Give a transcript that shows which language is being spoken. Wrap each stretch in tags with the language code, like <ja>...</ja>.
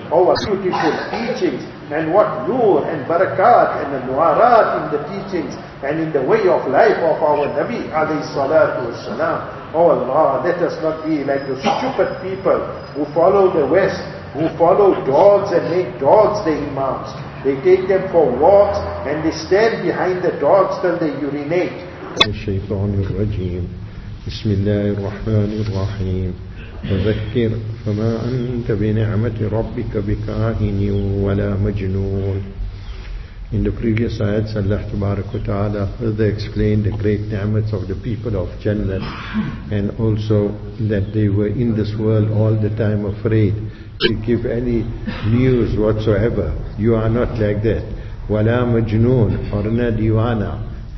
<en>Our beautiful teachings, and what nur and barakat and the nuarat in the teachings and in the way of life of our Nabi alayhi salatu wasalam. Oh Allah, let us not be like the stupid people who follow the West, who follow dogs and make dogs the imams. They take them for walks and they stand behind the dogs till they urinate. Shaytan ar-Rajim, Bismillahir Rahmanir Rahim.</en> <ar>فذكر فما أنت بنعمة ربك بكاهن ولا مجنون.</ar> <en>In the previous ayats, Allah Tabarak wa Ta'ala further explained the great ni'mats of the people of Jannah, and also that they were in this world all the time afraid to give any news whatsoever. You are not like that.</en> <ar>وَلَا مَجْنُونَ وَرْنَا دِوَانَا.</ar>